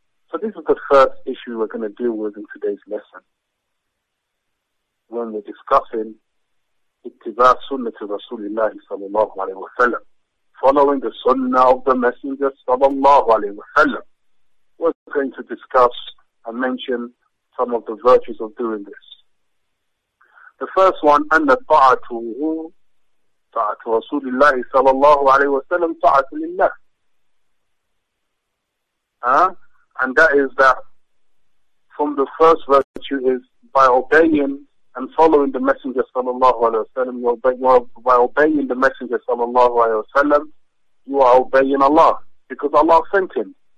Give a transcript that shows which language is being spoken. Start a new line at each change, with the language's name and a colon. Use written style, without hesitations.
English: So this is the first issue we're going to deal with in today's lesson, when we're discussing ittiba sunnah to Rasulullah sallallahu alaihi wasallam, following the Sunnah of the Messenger sallallahu alaihi wasallam. We're going to discuss and mention some of the virtues of doing this. The first one,
Arabic: أن طاعته طاعة رسول الله صلى الله عليه وسلم طاعة لله.
English: And that is that from the first virtue is by obeying and following the Messenger صلى الله عليه وسلم, by obeying the Messenger صلى الله عليه وسلم, you are obeying Allah because Allah sent him.